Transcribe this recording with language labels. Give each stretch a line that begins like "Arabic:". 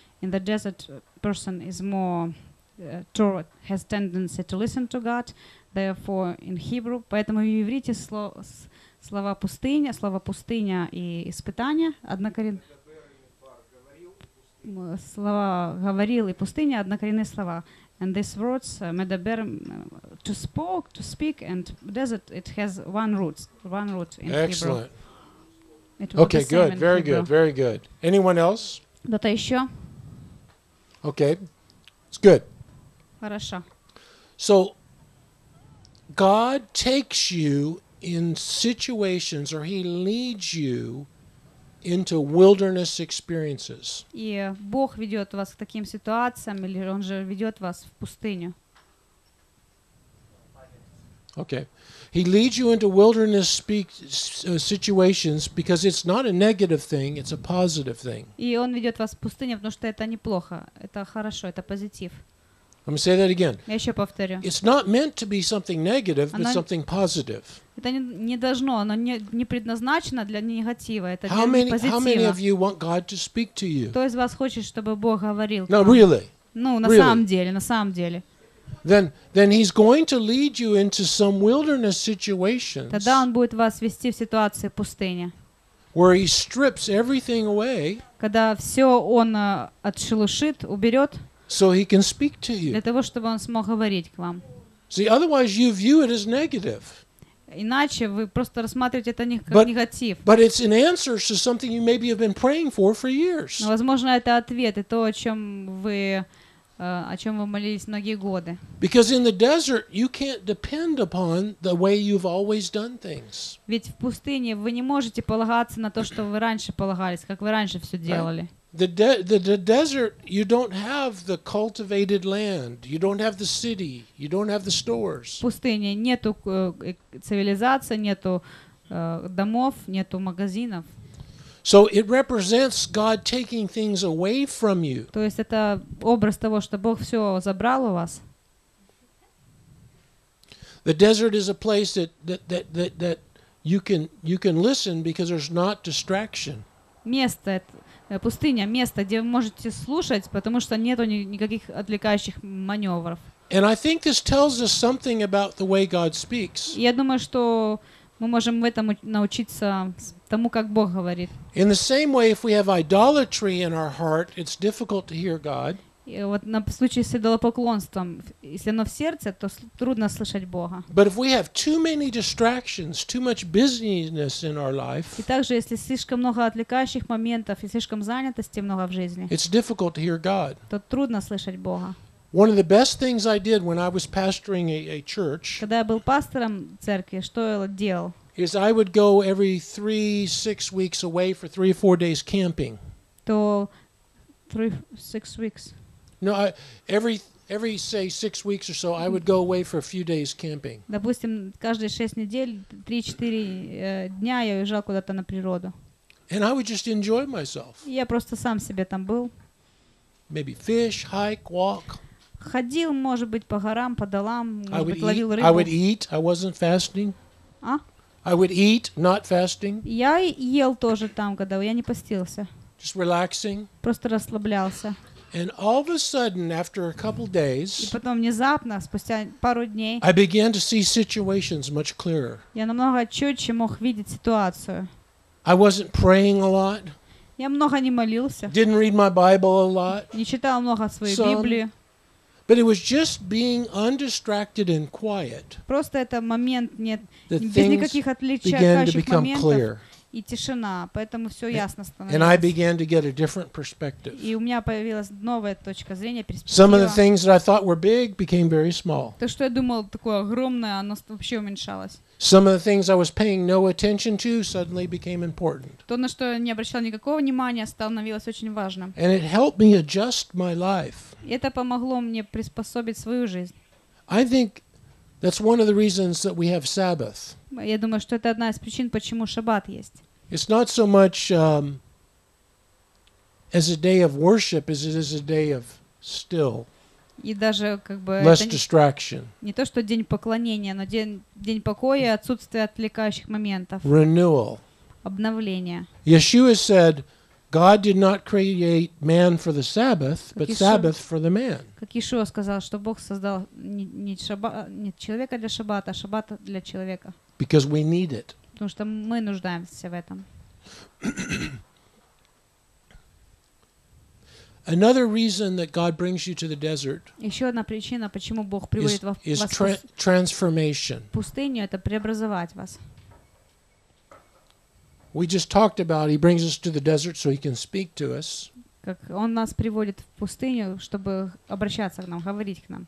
English: In the desert, person is more has tendency to listen to God. Therefore, in Hebrew,
Russian: поэтому в иврите слова пустыня и испытание говорил и пустыня однокоренные слова.
English: And these words, medaber, to speak, and desert, it has one root in excellent. Hebrew. Excellent. Okay, good. Very good. Very good. Anyone else?
Russian: Кто-то еще?
English: Okay, it's good.
Russian: Хорошо.
English: So, God takes you in situations, or He leads you into wilderness experiences.
Russian: И Бог ведет вас к таким ситуациям, или Он же ведет вас в пустыню.
English: Okay. He leads you into wilderness situations because it's not a negative thing, it's a positive thing.
Russian: И он ведёт вас в пустыню, потому что это неплохо, это хорошо, это позитив.
English: Let me say that again.
Russian: Я ещё повторю.
English: It's not meant to be something negative, but something positive.
Russian: Это не должно, оно не предназначено для негатива, это для позитива.
English: How many of you want God to speak to you?
Russian: Кто из вас хочет, чтобы Бог говорил?
English: No, really.
Russian: Ну, на самом деле, на самом деле.
English: Then he's going to lead you into some wilderness situations.
Russian: Тогда он будет вас вести в ситуации пустыни.
English: Where he strips everything away.
Russian: Когда всё он отшелушит, уберёт.
English: So he can speak to you.
Russian: Для того, чтобы он смог говорить к вам.
English: See, otherwise you view it as negative.
Russian: Иначе вы просто рассматриваете это как негатив.
English: But it's an answer to something you maybe have been praying for years.
Russian: Возможно, это ответ, это то, о чём вы молились многие годы.
English: Because in the desert you can't depend upon the way you've always done things.
Russian: Ведь в пустыне вы не можете полагаться на то, что вы раньше полагались, как вы раньше всё делали.
English: The desert, you don't have the cultivated land, you don't have the city, you don't have the stores.
Russian: В пустыне нету цивилизации, нету домов, нету магазинов.
English: So it represents God taking things away from you.
Russian: То есть это образ того, что Бог всё забрал у вас.
English: The desert is a place that you can listen because there's not distraction.
Russian: Место это пустыня, место, где вы можете слушать, потому что нету никаких отвлекающих манёвров.
English: And I think this tells us something about the way God speaks.
Russian: Я думаю, что мы можем в этом научиться тому, как Бог говорит.
English: In the same way, if we have idolatry in our heart, it's difficult to hear God.
Russian: Вот на случай с идолопоклонством, если оно в сердце, то трудно слышать Бога.
English: But if we have too many distractions, too much busyness in our life.
Russian: И также если слишком много отвлекающих моментов и слишком занятости много в жизни.
English: It's difficult to hear God.
Russian: То трудно слышать Бога.
English: One of the best things I did when I was pastoring a church.
Russian: Когда я был пастором церкви, что я делал?
English: Is I would go every 3-6 weeks away for 3-4 days camping. То 3-6 weeks. No, every say 6 weeks or so I would go away for a few days camping.
Russian: Допустим, каждые 6 недель 3-4 дня я уезжал куда-то на природу.
English: And I would just enjoy myself.
Russian: Я просто сам себе там был.
English: Maybe fish, hike, walk.
Russian: Ходил, может быть, по горам, по долам, ловил рыбу.
English: I would eat, I wasn't fasting. А? I would eat, not fasting.
Russian: Я ел тоже там, когда я не постился.
English: Just relaxing.
Russian: Просто расслаблялся.
English: And all of a sudden, after a couple days,
Russian: и потом внезапно, спустя пару дней,
English: I began to see situations much clearer.
Russian: Я намного чётче мог видеть ситуацию.
English: I wasn't praying a lot.
Russian: Я много не молился.
English: Didn't read my Bible a lot.
Russian: Не читал много свою Библию.
English: But it was just being undistracted and quiet.
Russian: Просто это момент нет без никаких отвлекающих моментов. И тишина, поэтому всё ясно становилось.
English: And I began to get a different perspective.
Russian: И у меня появилась новая точка зрения, перспектива.
English: Some of the things that I thought were big became very small.
Russian: То, что я думал такое огромное, оно вообще уменьшалось.
English: Some of the things I was paying no attention to suddenly became important.
Russian: То, на что я не обращал никакого внимания, становилось очень важным.
English: And it helped me adjust my life.
Russian: Это помогло мне приспособить свою жизнь.
English: I think that's one of the reasons that we have Sabbath.
Russian: Я думаю, что это одна из причин, почему Шаббат есть.
English: It's not so much as a day of worship as it is a day of still.
Russian: И даже как бы
English: less distraction.
Russian: Не то, что день поклонения, но день покоя, отсутствие отвлекающих моментов.
English: Renewal.
Russian: Обновление.
English: Yeshua said, God did not create man for the Sabbath, but Sabbath for the man.
Russian: Как Иешуа сказал, что Бог создал не человека для Шаббата, а Шаббат для человека.
English: Because we need it.
Russian: Потому что мы нуждаемся в этом.
English: Another reason that God brings you to the desert.
Russian: Ещё одна причина, почему Бог приводит вас в пустыню.
English: Is transformation.
Russian: Пустыня это преобразовать вас.
English: We just talked about he brings us to the desert so he can speak to us.
Russian: Как он нас приводит в пустыню, чтобы обращаться к нам, говорить к нам.